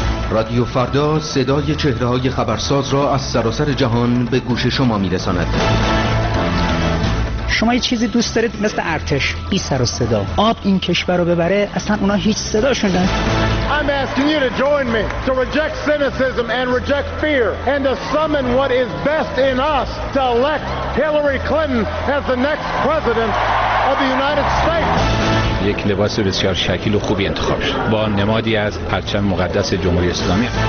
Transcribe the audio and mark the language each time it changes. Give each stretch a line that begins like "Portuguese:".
Persian: رادیو فردا صدای چهره‌های خبرساز را از سراسر جهان به گوش شما می‌رساند. شما یه چیزی دوست دارید مثل ارتش بی سر و صدا آب این کشور رو ببره؟ اصلا اونا هیچ صداشون ندارن.
English: I'm asking you to join me to reject cynicism and reject fear and to summon what is best in us to elect Hillary Clinton as the next president of the United States.
Persian: یک لباس بسیار شکیل و خوبی انتخاب شد با نمادی از پرچم مقدس جمهوری اسلامی.